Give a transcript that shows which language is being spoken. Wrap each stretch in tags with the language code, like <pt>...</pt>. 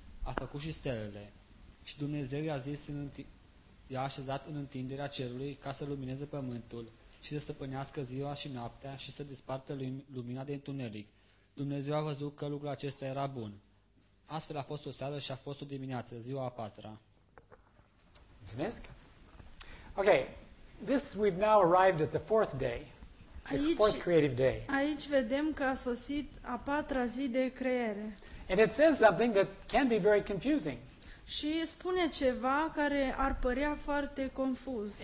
<ro>A făcut și stelele. Și Dumnezeu i-a așezat în întinderea cerului ca să lumineze pământul și să stăpânească ziua și noaptea și să despartă lumina de întuneric. Dumnezeu a văzut că lucrul acesta era bun. Astfel a fost o seară și a fost o dimineață, ziua a patra. Mulțumesc.</ro> <en>Okay, this we've now arrived at the fourth day, the fourth creative day.</en> <ro>Aici vedem că a sosit a patra zi de creare.</ro> <en>And it says something that can be very confusing.</en> <ro>Și spune ceva care ar părea foarte confuz.</ro>